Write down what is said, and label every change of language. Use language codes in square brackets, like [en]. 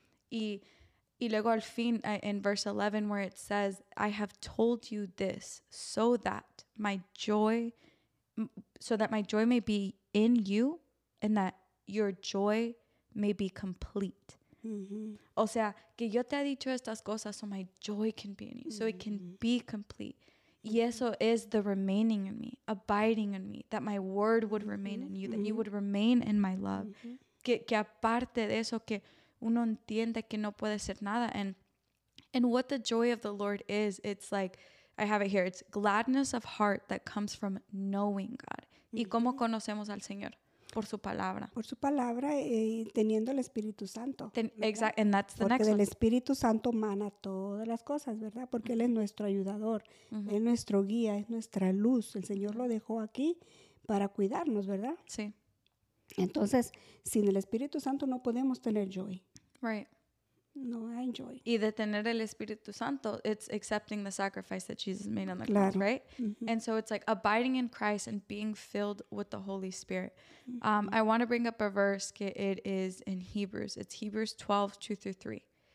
[es] Y luego al fin, [en] in verse 11, where it says, I have told you this so that my joy may be in you and that your joy may be complete. Mm-hmm. [es] O sea, que yo te he dicho estas cosas [en] so my joy can be in you, mm-hmm, so it can be complete. Mm-hmm. [es] Y eso es [en] the remaining in me, abiding in me, that my word would, mm-hmm, remain in you, that, mm-hmm, you would remain in my love. Mm-hmm. [es] Que aparte de eso, que uno entiende que no puede ser nada. [en] And what the joy of the Lord is, it's like, I have it here, it's gladness of heart that comes from knowing God. Mm-hmm. [es] ¿Y cómo conocemos al Señor? Por su palabra. Por su palabra y teniendo el Espíritu Santo. [en] Exacto. And that's the [es] porque [en] next [es] del [en] one. [es] Espíritu Santo mana todas las cosas, ¿verdad? Porque, mm-hmm, Él es nuestro ayudador, mm-hmm, es nuestro guía, es nuestra luz. El Señor lo dejó aquí para cuidarnos, ¿verdad? Sí. Entonces, sin el Espíritu Santo no podemos tener joy. [en] Right. [es] No hay joy. Y de tener el Espíritu Santo, [en] it's accepting the sacrifice that Jesus made on the, [es] claro, [en] cross, right? Mm-hmm. And so it's like abiding in Christ and being filled with the Holy Spirit. Mm-hmm. I want to bring up a verse, que it is in Hebrews. It's Hebrews 12, 2 through 3.